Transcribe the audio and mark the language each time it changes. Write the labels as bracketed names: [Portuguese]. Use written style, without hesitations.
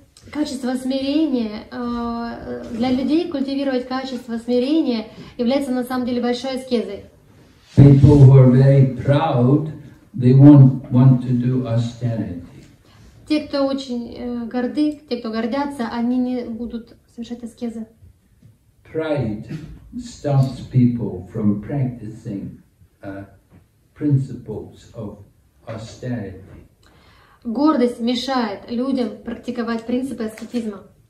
[Russian] Качество смирения, для людей культивировать качество смирения является на самом деле большой аскезой. [English] People who are very proud, they won't want to do austerity. [Russian] Те, кто очень горды, те, кто гордятся, они не будут совершать аскезы. [English] Pride stops people from practicing principles of austerity. [Russian] Гордость мешает людям практиковать принципы аскетизма.